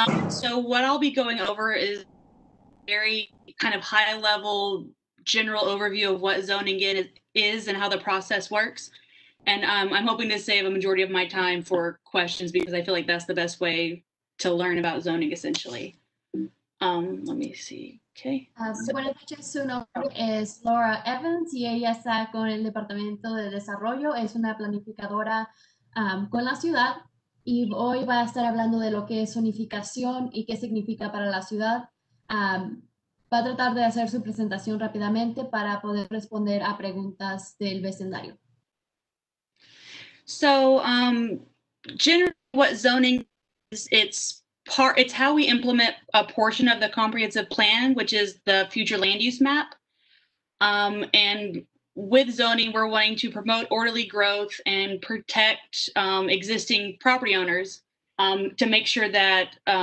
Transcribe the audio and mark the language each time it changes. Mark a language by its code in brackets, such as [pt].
[en] So what I'll be going over is very kind of high level general overview of what zoning is and how the process works. And I'm hoping to save a majority of my time for questions because I feel like that's the best way to learn about zoning essentially. Let me see. Okay. [es] Buenas noches, su nombre es Laura Evans y ella está con el Departamento de Desarrollo. Es una planificadora con la ciudad y hoy va a estar hablando de lo que es zonificación y qué significa para la ciudad. Va a tratar de hacer su presentación rápidamente para poder responder a preguntas del vecindario. [en] So, generally what zoning is, it's how we implement a portion of the comprehensive plan, which is the future land use map. And with zoning, we're wanting to promote orderly growth and protect existing property owners to make sure that